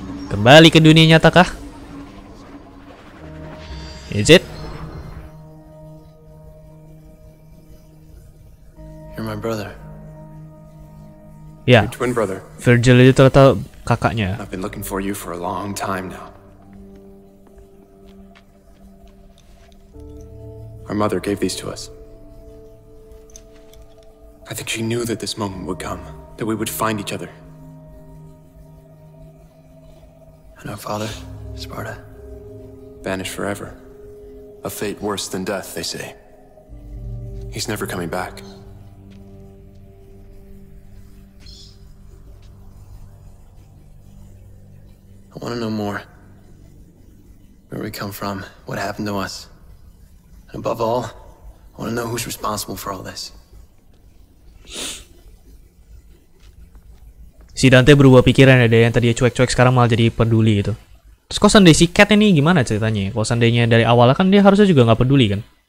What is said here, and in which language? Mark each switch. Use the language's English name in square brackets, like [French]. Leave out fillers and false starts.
[Indonesian] Kembali ke dunia nyata kah? [English] Is it? You're my brother. Yeah. Your twin brother. [Indonesian] Virgil itu ternyata kakaknya. [English] I've been looking for you for a long time now. Our mother gave these to us. I think she knew that this moment would come, that we would find each other. And our father, Sparta, banished forever. A fate worse than death, they say. He's never coming back. I want to know more. Where we come from, what happened to us. And above all, I want to know who's responsible for all this. [Indonesian] Si Dante berubah pikiran ya, dari yang tadi cuek-cuek sekarang malah jadi peduli gitu. Terus kalau seandainya si Cat ini gimana ceritanya? Kalau seandainya dari awal kan dia harusnya juga gak peduli kan?